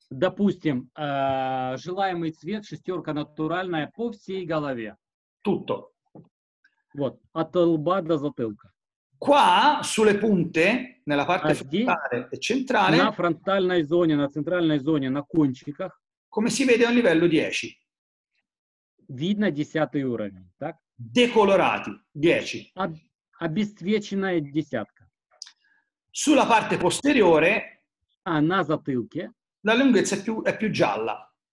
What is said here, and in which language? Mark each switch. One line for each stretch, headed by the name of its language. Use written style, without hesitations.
Russian: Допустим, желаемый цвет шестерка натуральная по всей голове.
Italian: Tutto.
Russian: Вот, от лба до затылка.
Italian: Qua sulle punte, nella parte frontale e centrale,
Russian: на фронтальной зоне, на центральной зоне, на кончиках,
Italian: come si vede a livello 10?
Russian: Видно 10 уровень, так?
Italian: Decolorati, 10.
Russian: Обесцвеченная десятка.
Italian: Sulla parte posteriore,
Russian: а на затылке,
Italian: la lunghezza è più gialla.